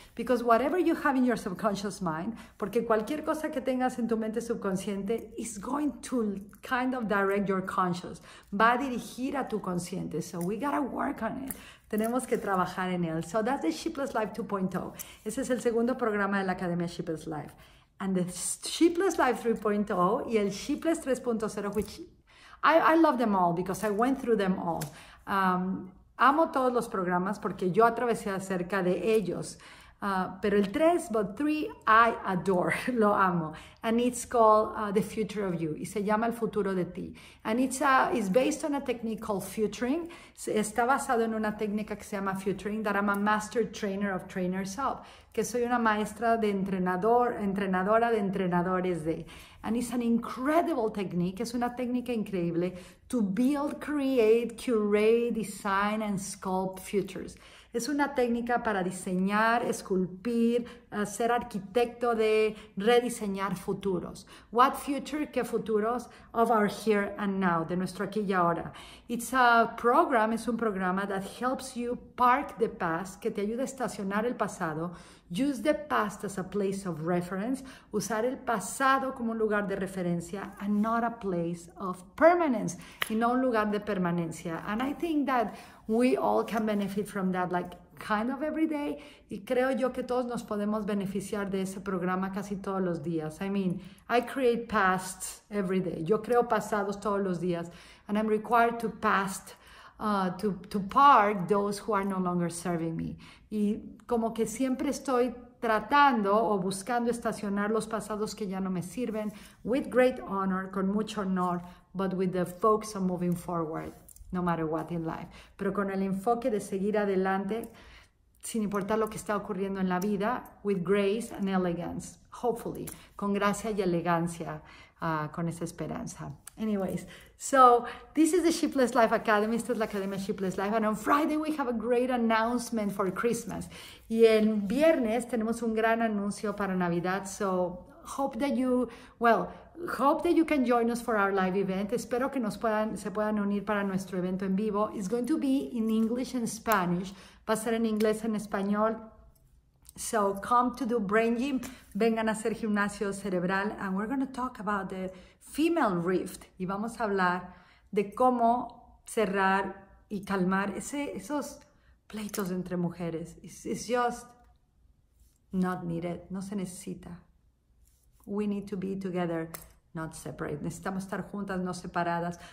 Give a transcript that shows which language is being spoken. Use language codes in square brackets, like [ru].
[en] Because whatever you have in your subconscious mind, [es] porque cualquier cosa que tengas en tu mente subconsciente [en] is going to kind of direct your conscious. [es] Va a dirigir a tu consciente. [en] So we gotta work on it. [es] Tenemos que trabajar en él. [en] So that's the Sheepless Life 2.0. [es] Ese es el segundo programa de la Academia Sheepless Life. [en] And the Sheepless Life 3.0 [es] y el Sheepless 3.0, [en] which I love them all because I went through them all. [es] Amo todos los programas porque yo atravesé acerca de ellos. Pero el 3, [en] but 3, I adore, [es] lo amo. [en] And it's called The Future of You. [es] Y se llama El Futuro de Ti. [en] And it's based on a technique called futuring. [es] Está basado en una técnica que se llama [en] futuring that I'm a master trainer of trainers of. [es] Que soy una maestra de entrenadora de entrenadores de. [en] And it's an incredible technique. [es] Es una técnica increíble [en] to build, create, curate, design, and sculpt futures. [es] Es una técnica para diseñar, esculpir, ser arquitecto de rediseñar futuros. [en] What future, [es] qué futuros? [en] Of our here and now, [es] de nuestro aquí y ahora. [en] It's a program, [es] es un programa [en] that helps you park the past, [es] que te ayuda a estacionar el pasado. [en] Use the past as a place of reference. [es] Usar el pasado como un lugar de referencia [en] and not a place of permanence. [es] Y no un lugar de permanencia. [en] And I think that we all can benefit from that, like kind of every day. [es] Y creo yo que todos nos podemos beneficiar de ese programa casi todos los días. [en] I mean, I create pasts every day. [es] Yo creo pasados todos los días. [en] And I'm required to past, to park those who are no longer serving me. [es] Y como que siempre estoy tratando o buscando estacionar los pasados que ya no me sirven, [en] with great honor, [es] con mucho honor, [en] but with the focus on moving forward, no matter what in life. [es] Pero con el enfoque de seguir adelante, sin importar lo que está ocurriendo en la vida, [en] with grace and elegance, hopefully, [es] con gracia y elegancia, con esa esperanza. [en] Anyways, so this is the Sheepless Life Academy. [es] Esta es la Academia Sheepless Life. [en] And on Friday, we have a great announcement for Christmas. [es] Y el viernes tenemos un gran anuncio para Navidad. [en] So hope that you can join us for our live event. [es] Espero que se puedan unir para nuestro evento en vivo. [en] It's going to be in English and Spanish. [es] Va a ser en inglés y en español. [en] So come to do brain gym. [es] Vengan a hacer gimnasio cerebral. [en] And we're going to talk about the female rift. [es] Y vamos a hablar de cómo cerrar y calmar esos pleitos entre mujeres. [en] It's just not needed. [es] No se necesita. [en] We need to be together, not separate. [es] Necesitamos estar juntas, no separadas.